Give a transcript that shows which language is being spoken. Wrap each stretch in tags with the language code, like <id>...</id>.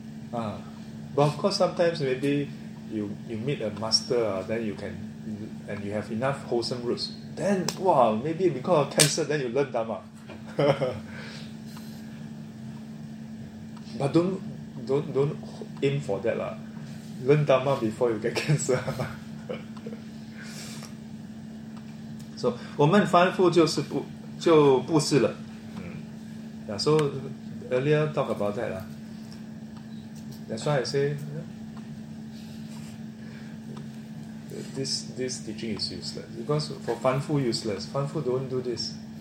<en>But of course sometimes maybe you meet a master, then you can, and you have enough wholesome roots, then wow, maybe because of cancer then you learn Dharma. But don't aim for that lah. Learn Dharma before you get cancer. So</en> <zh>我们凡夫就是不是了。</zh> <en>Yeah, so earlier talk about that lah. That's why I say, yeah, this teaching is useless. Because for 凡夫 useless. 凡夫 don't do this.</en>